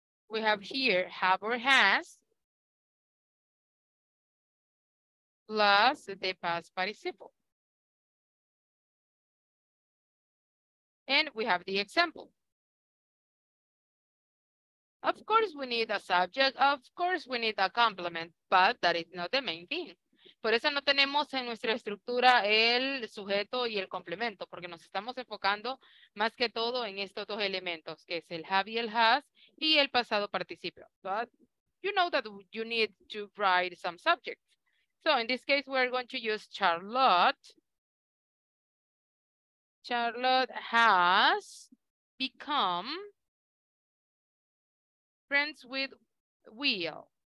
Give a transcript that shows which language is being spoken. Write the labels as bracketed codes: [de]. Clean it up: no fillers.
[en] We have here have or has plus the past participle. And we have the example. Of course, we need a subject. Of course, we need a complement, but that is not the main thing. [es] Por eso no tenemos en nuestra estructura el sujeto y el complemento, porque nos estamos enfocando más que todo en estos dos elementos, que es el have y el has, y el pasado participio. [en] But you know that you need to write some subjects. So in this case, we're going to use Charlotte. Charlotte has become friends with Will.